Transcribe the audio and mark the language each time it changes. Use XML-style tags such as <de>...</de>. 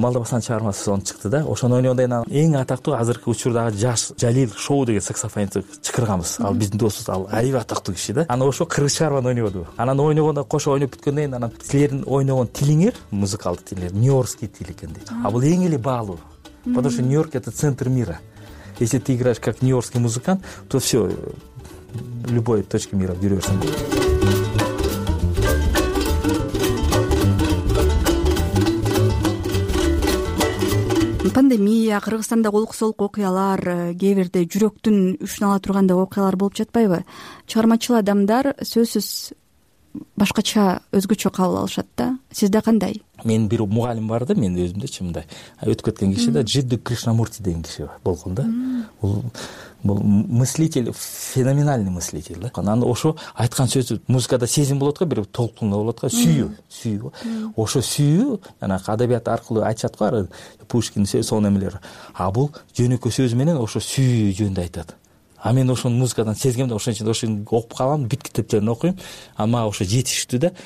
<ky>Малдабасанын чыгармасы сонун чыкты да. Ошону ойнодон анан эң атактуу азыркы учурдагы жаш Жалил Шоу деген саксофонист чыгарганбыз. Ал биздин досубуз, ал аябай атактуу киши да. Анан ошо кыргыз чыгарманы ойноду. Анан ойногондо кошо ойноп бүткөндөн кийин анан силердин ойногон тилиңер, музыкалдык тилиңер, Нью-Йоркский тил экен дейт. А бул эң эле баалуу.</ky> <ru>Потому что Нью-Йорк это центр мира. Если ты играешь как нью-йоркский музыкант, то все, любой точке мира берешься.</ru> <ky>Пандемия, Кыргызстанда олук-солук окуялар, кээ бирде жүрөктүн ушунала тургандай окуялар болуп жатпайбы? Чыгармачыл адамдар сөзсүз башкача өзгөчө кабыл алышат да. Сизде кандай? Мен бир мугалим бар да, мен өзүмдөчү мындай өтүп кеткен киши да, Джидду Кришнамурти деген киши болгон да. Бул</ky> <ru>мыслитель, феноменальный мыслитель да.</ru> <ky>Анан ошо айткан сөзү музыкада сезим болот го, бир толкунда болот го, сүйүү. Ошо сүйүү жанагы адабият аркылуу айтышат го, Пушкин сонун эмелер. А бул жөнөкөй сөз менен ошо сүйүү жөнүндө айтат. А мен ошону музыкадан сезгем да, ошон үчүн ошону окуп калам, бүт китептерин окуйм, анан мага ошо жетиштүү да.</ky>